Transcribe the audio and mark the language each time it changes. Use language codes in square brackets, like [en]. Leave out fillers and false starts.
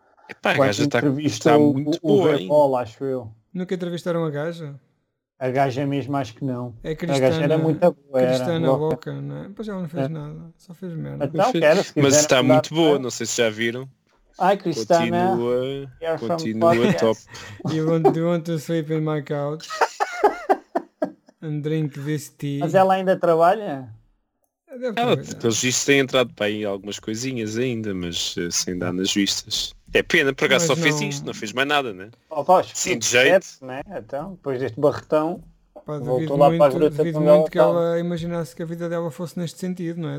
[pt] Epá, a gaja está muito boa, hein? O V-Ball, acho eu. Nunca entrevistaram a gaja? A gaja mesmo, acho que não. É Cristina, a gaja era muito boa. Cristina Loca, não é? Pois ela não fez nada, só fez merda. Mas está muito boa, não sei se já viram. Ai, Cristina, continua top. [en] You want to sleep in my couch and drink this tea. [pt] Mas ela ainda trabalha? Pelos vistos tem entrado bem em algumas coisinhas ainda, mas sem dar nas vistas. É pena, por acaso só não... fez isto, não fez mais nada, né? Sim, de jeito. Né? Então, depois deste barretão, pá, voltou lá muito, para a gruta. Devido muito local. Que ela imaginasse que a vida dela fosse neste sentido, não é?